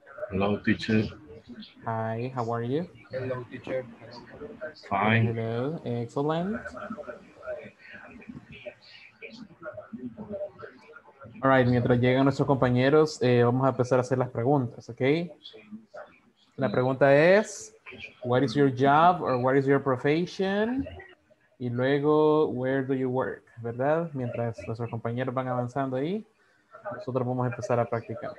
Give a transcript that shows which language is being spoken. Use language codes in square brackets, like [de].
[en] Hello teacher. Hi, how are you? Hello teacher. Fine. Hello, excellent. All right, [es] mientras llegan nuestros compañeros, vamos a empezar a hacer las preguntas, ¿ok? La pregunta es, [en] what is your job or what is your profession? [es] Y luego, [en] where do you work? [es] ¿Verdad? Mientras nuestros compañeros van avanzando ahí, nosotros vamos a empezar a practicar.